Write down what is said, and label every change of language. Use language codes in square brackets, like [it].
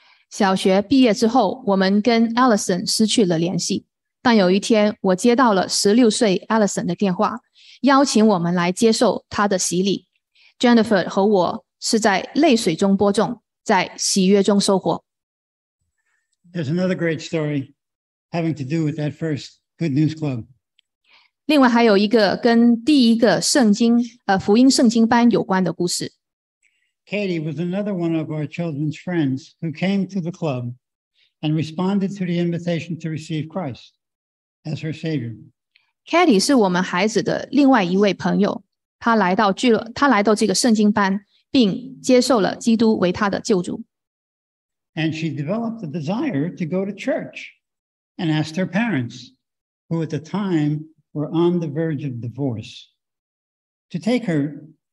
[zh] 小学毕业之后, 我们跟Allison失去了联系, 但有一天我接到了16岁Allison的电话, 邀请我们来接受她的洗礼。 Jennifer和我是在泪水中播种, 在喜悦中收获。 [en] There's another great story having to do with that first Good News Club. [zh] 另外还有一个跟第一个圣经,福音圣经班有关的故事。 [en] Katie was another one of our children's friends who came to the club and responded to the invitation to receive Christ as her Savior. [zh] Katie是我们孩子的另外一位朋友,她来到这个圣经班,并接受了基督为她的救主。 [en] And she developed a desire to go to church and asked her parents, who at the time were on the verge of divorce, to take her.